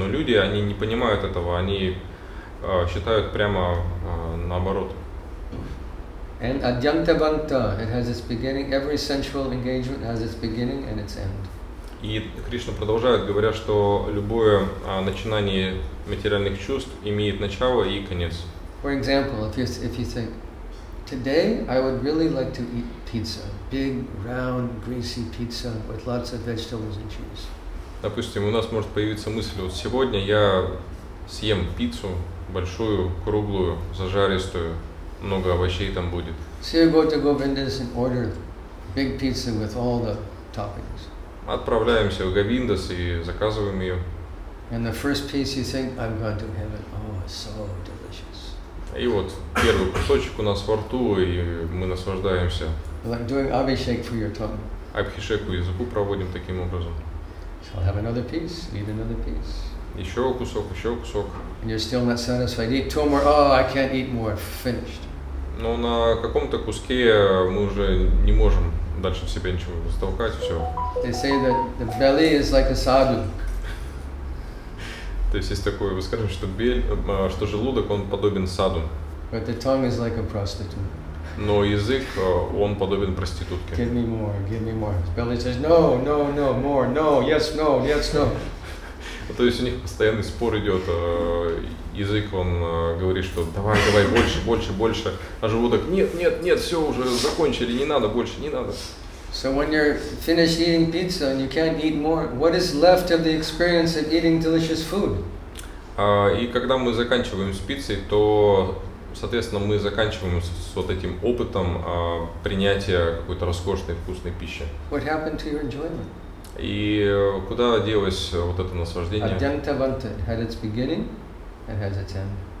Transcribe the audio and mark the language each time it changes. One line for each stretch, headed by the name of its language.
Russian: Но люди, они не понимают этого, они считают прямо наоборот.
English: And adyanta bhanta, it has its beginning. Every sensual engagement has its beginning and its end.
Russian: И Кришна продолжает, говоря, что любое начинание материальных чувств имеет начало и конец.
English: For example, if you think, today I would really like to eat pizza, big, round, greasy pizza with lots of vegetables and cheese.
Russian: Допустим, у нас может появиться мысль, вот сегодня я съем пиццу большую, круглую, зажаристую, много овощей там будет.
English: So you go to Govinda's and order big pizza with all the toppings.
Russian: Отправляемся в Говиндас и заказываем ее.
English: And the first piece you think, I'm going to heaven. Oh, so delicious.
Russian: И вот первый кусочек у нас во рту, и мы наслаждаемся.
English: Like doing Abhishek for your tongue.
Russian: Абхишеку языку проводим таким образом.
English: So I'll have another piece, eat another piece.
Russian: Еще кусок.
English: And you're still not satisfied. Eat two more. Oh, I can't eat more. Finished.
Russian: Но на каком-то куске мы уже не можем дальше в себе ничего растолкать, все.
English: They say that the belly is like a sadhu.
Russian: То есть такое, вы скажете, что желудок, он подобен саду.
English: But the tongue is like a prostitute.
Russian: Но язык, он подобен проститутке.
English: Give me more. The belly says, no, more, no, yes, no, yes, no.
Russian: То есть у них постоянный спор идет. Язык, он говорит, что давай, больше. А желудок, нет, все уже закончили, не надо больше, не надо.
English: So when you're finished eating pizza and you can't eat more, what is left of the experience of eating delicious food?
Russian: И когда мы заканчиваем с пиццей, то, соответственно, мы заканчиваем с вот этим опытом принятия какой-то роскошной, вкусной пищи.
English: What happened to your enjoyment?
Russian: И куда делось вот это наслаждение?
English: Adyanta vanta had its beginning. It has its end.